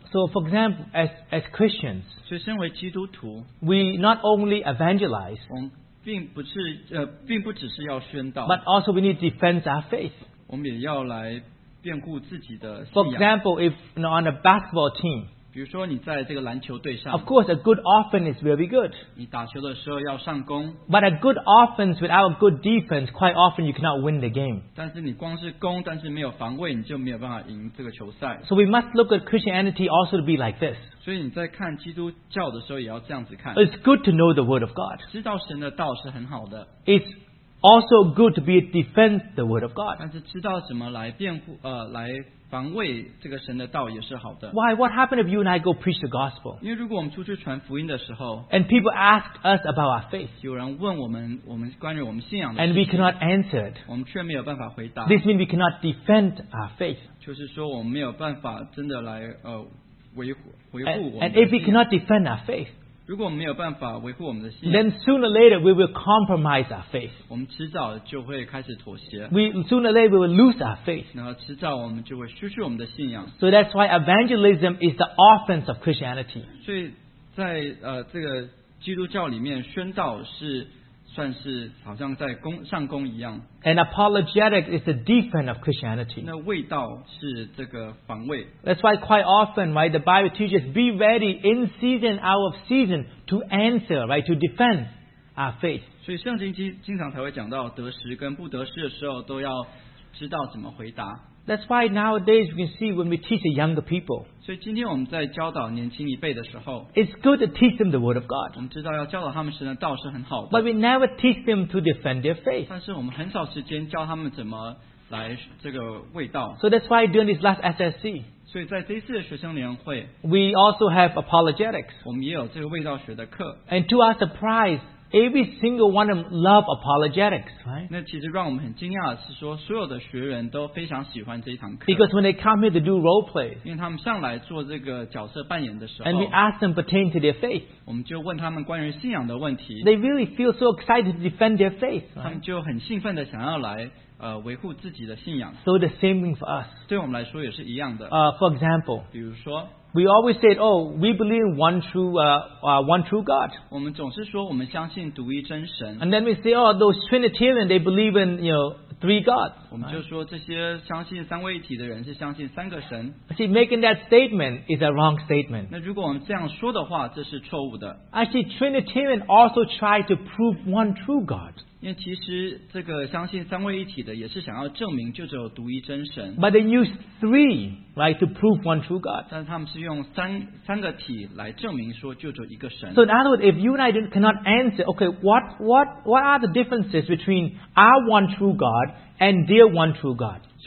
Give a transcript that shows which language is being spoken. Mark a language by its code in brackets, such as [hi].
[en] So for example, as Christians, [zh] 所以身为基督徒, [en] we not only evangelize, [zh] 我们并不只是要宣道, [en] but also we need to defend our faith. [zh] 我们也要来辩护自己的信仰。 [en] For example, if you know, on a basketball team, [zh] 比如说你在这个篮球队上, [en] of course a good offense will be good. [zh] 你打球的时候要上攻, [en] but a good offense without a good defense, quite often you cannot win the game. [zh] 但是你光是攻,但是没有防卫,你就没有办法赢这个球赛。 [en] So we must look at Christianity also to be like this. [zh] 所以你在看基督教的时候也要这样子看。 [en] It's good to know the word of God. [zh] 知道神的道是很好的。 [en] It's also good to be defend the word of God. [zh] 但是知道怎么来辩护, 来防卫这个神的道也是好的。 [en] Why? What happened if you and I go preach the gospel? [zh] 因为如果我们出去传福音的时候, [en] and people ask us about our faith, [zh] 有人问我们, 我们关于我们信仰的事情, [en] and we cannot answer it. [zh] 我们却没有办法回答, [en] this means we cannot defend our faith. [zh] 就是说我们没有办法真的来, 维护我们的信仰, [en] and if we cannot defend our faith, [zh] 如果我们没有办法维护我们的信仰, [en] then sooner or later we will compromise our faith. [zh] 我们迟早就会开始妥协, [en] we, sooner or later we will lose our faith. [zh] 然后迟早我们就会失去我们的信仰。 [en] So that's why evangelism is the offense of Christianity. [zh] 所以在, 这个基督教里面, 宣道是, 算是好像在公, 上公一样。 [en] And apologetic is the defense of Christianity. [zh] 那卫道是这个防卫。 [en] That's why quite often, right, the Bible teaches be ready in season, out of season to answer, right, to defend our faith. [zh] 所以圣经经常才会讲到得时跟不得时的时候都要知道怎么回答。 [en] That's why nowadays we can see when we teach the younger people, [zh] 所以今天我们在教导年轻一辈的时候, [en] it's good to teach them the word of God. [zh] 我们知道要教导他们神的道是很好的, [en] but we never teach them to defend their faith. [zh] 但是我们很少时间教他们怎么来这个卫道。 [en] So that's why during this last SSC, [zh] 所以在这一次的学生联会, [en] we also have apologetics. [zh] 我们也有这个卫道学的课。 [en] And to our surprise, every single one of them love apologetics, right? [zh] 那其实让我们很惊讶的是说, 所有的学员都非常喜欢这一堂课。 [en] Because when they come here to do role play, [zh] 因为他们上来做这个角色扮演的时候, [en] and we ask them pertain to their faith, [zh] 我们就问他们关于信仰的问题, [en] they really feel so excited to defend their faith, right? [zh] 他们就很兴奋地想要来, 维护自己的信仰。 [en] So the same thing for us. [zh] 对我们来说也是一样的。 [en] For example, [zh] 比如说, [en] we always said, oh, we believe in one true, one true God. [zh] 我们总是说我们相信独一真神。 [en] And then we say, oh, those Trinitarian, they believe in, you know, three gods. [zh] 我们就说这些相信三位一体的人是相信三个神。 [en] See, making that statement is a wrong statement. [zh] 那如果我们这样说的话, 这是错误的。 [en] Actually, Trinitarian also try to prove one true God. [zh] 因为其实这个相信三位一体的也是想要证明就只有独一真神。 [en] But they use three, right, to prove one true God. [zh] 但是他们是用三个体来证明说就只有一个神。 [en] So in other words, if you and I cannot answer, okay, what are the differences between our one true God and their one true God?